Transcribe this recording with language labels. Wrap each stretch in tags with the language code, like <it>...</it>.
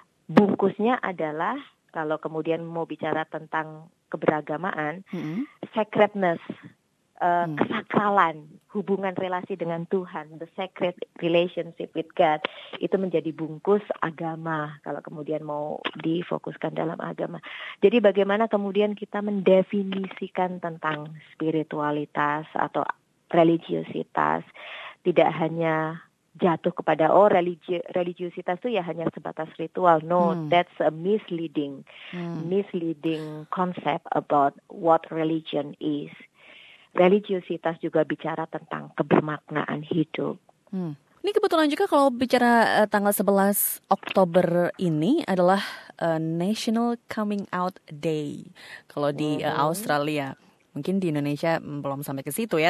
<id>Bungkusnya adalah, kalau kemudian mau bicara tentang keberagamaan, sacredness, kesakralan, hubungan relasi dengan Tuhan,</id> <en>the sacred relationship with God,</en> <id>itu menjadi bungkus agama, kalau kemudian mau difokuskan dalam agama. Jadi bagaimana kemudian kita mendefinisikan tentang spiritualitas atau religiositas, tidak hanya jatuh kepada, oh religiositas itu ya hanya sebatas ritual.</id> <en>No, that's a misleading, misleading concept about what religion is.</en> <id>Religiositas juga bicara tentang kebermaknaan hidup. Ini kebetulan juga kalau bicara tanggal 11 Oktober ini adalah National Coming Out Day. Kalau di Australia, mungkin di Indonesia belum sampai ke situ ya.</id>